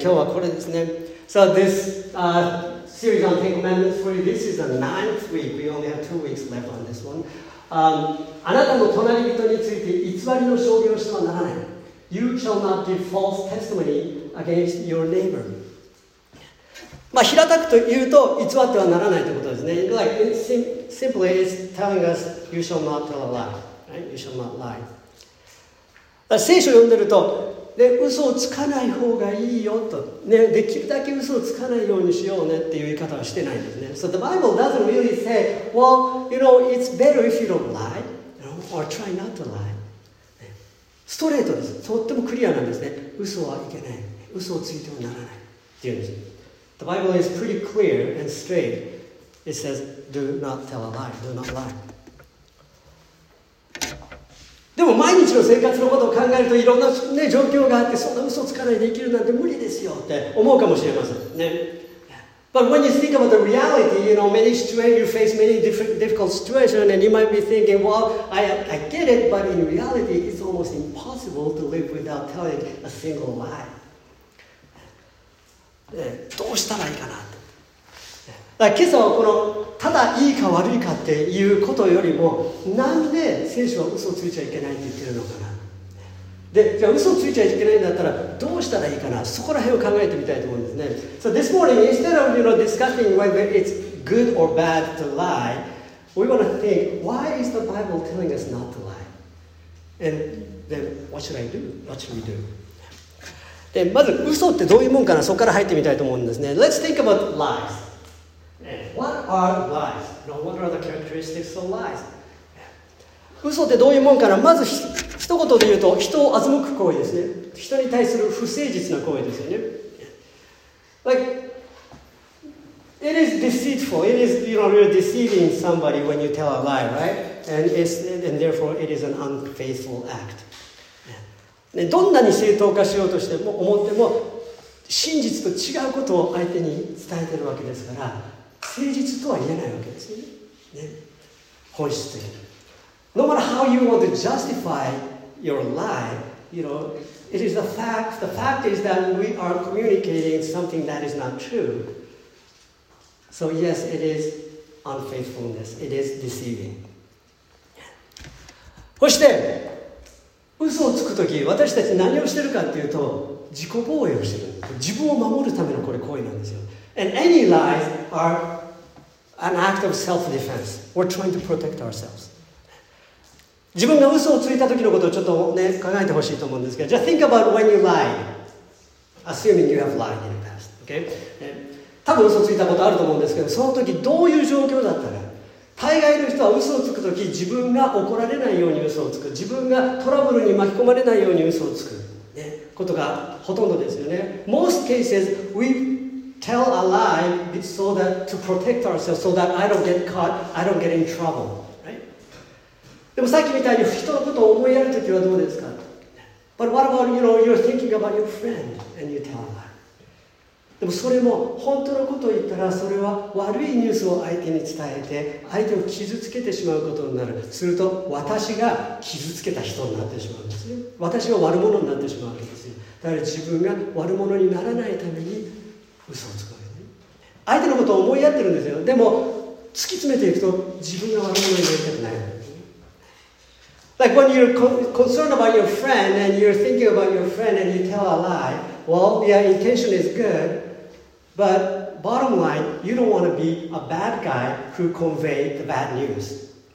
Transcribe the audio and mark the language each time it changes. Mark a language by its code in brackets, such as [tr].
[ja] 今日はこれですね。 [en] So this...、series on Ten Commandments for you. This is the ninth week. We only have 2 weeks left on this one.、 [ja] あなたの隣人について偽りの証言をしてはならない。 [en] You shall not give false testimony against your neighbor. [ja] まあ平たく言うと偽ってはならないということですね。 [en] Like, simply it's telling us you shall not tell a lie.、Right? You shall not lie. [ja] 聖書を読んでると、で嘘をつかない方がいいよと、ね、できるだけ嘘をつかないようにしようねっていう言い方はしてないんですね。 [en] So the Bible doesn't really say, well, you know, it's better if you don't lie, you know, or try not to lie.、 [ja] ね、ストレートです。とってもクリアなんですね。嘘はいけない。嘘をついてはならない。っていうんです。 [en] The Bible is pretty clear and straight. It says, do not tell a lie, do not lie. [ja] でも毎日の生活のことを考えるといろんな、ね、状況があってそんな嘘つかないで生きるなんて無理ですよって思うかもしれませんね。 [en] But when you think about the reality, you know, many situations, you face many difficult situations and you might be thinking, well, I get it, but in reality, it's almost impossible to live without telling a single lie. [ja] うしたらいいかな。だから今朝はこのただいいか悪いかっていうことよりも、なんで聖書は嘘をついちゃいけないって言ってるのかな。で、じゃあ嘘をついちゃいけないんだったらどうしたらいいかな、そこら辺を考えてみたいと思うんですね。 [en] So this morning, instead of, you know, discussing whether it's good or bad to lie, we want to think, why is the Bible telling us not to lie? And then, what should I do? What should we do? [ja] で、まず嘘ってどういうもんかな、そこから入ってみたいと思うんですね。 [en] Let's think about lies. What are lies? Now, what are the characteristics of lies? [ja] 嘘ってどういうもんかな、まず一言で言うと人を欺く行為ですね。人に対する不誠実な行為ですよね。 [en] Like, it is deceitful. It is, you know, you're deceiving somebody when you tell a lie, right? And therefore, it is an unfaithful act. [ja] ね、どんなに正当化しようとしても思っても真実と違うことを相手に伝えてるわけですから誠実とは言えないわけですよ ね、 ね、本質的に。 [en] No matter how you want to justify your lie, you know, it is the fact. The fact is that we are communicating something that is not true. So yes, it is unfaithfulness. It is deceiving. [ja] そして嘘をつくとき私たち何をしてるかっていうと自己防衛をしてる、自分を守るためのこれ行為なんですよ。 [en] And any lies are an act of self-defense. We're trying to protect ourselves. [ja] 自分が嘘をついたときのことをちょっとね考えてほしいと思うんですけど、 [en] Just think about when you lie, assuming you have lied in the past. Okay? [ja] 多分嘘ついたことあると思うんですけど、そのときどういう状況だったか。大概の人は嘘をつくとき自分が怒られないように嘘をつく、自分がトラブルに巻き込まれないように嘘をつく、ね、ことがほとんどですよね。 [en] Most cases we tell a lie so that to protect ourselves so that I don't get caught, I don't get in trouble、right? [ja] でもさっきみたいに人のことを思いやるときはどうですか。 [en] But what about, you know, you're thinking about your friend and you tell a lie。 [ja] でもそれも本当のことを言ったらそれは悪いニュースを相手に伝えて相手を傷つけてしまうことになる。すると私が傷つけた人になってしまうんですよ。私が悪者になってしまうわけですよ。だから自分が悪者にならないために嘘をつくわけね。相手のことを思いやってるんですよ。でも突き詰めていくと自分が悪者になりたくないわけですね。 [en] Like when you're concerned about your friend and you're thinking about your friend and you tell a lieWell, yeah, intention is good, but bottom line, you don't want to be a bad guy who conveyed the bad news.